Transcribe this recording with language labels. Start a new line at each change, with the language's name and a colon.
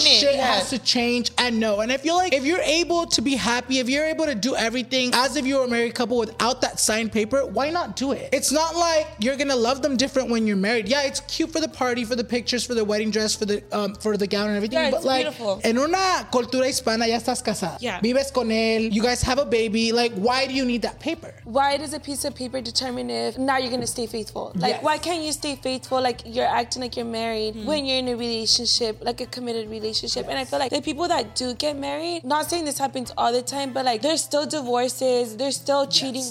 English: Shit yeah. has to change. And no. And I feel like if you're able to be happy, if you're able to do everything as if you were a married couple without that signed paper, why not do it? It's not like you're gonna love them different when you're married. Yeah, it's cute for the party, for the pictures, for the wedding dress, for the gown and everything. Yeah, but it's like beautiful.
Spanish: En una cultura hispana ya estás casada.
English: Yeah.
Spanish: Vives con él.
English: You guys have a baby. Like, why do you need that paper? Why does a piece of paper determine if now you're gonna stay faithful? Like, yes. Why can't you stay faithful? Like, you're acting like you're married mm-hmm. when you're in a relationship, like a committed relationship. Yes. And I feel like the people that do get married, not saying this happens all the time, but like there's still divorces, there's still cheating yes.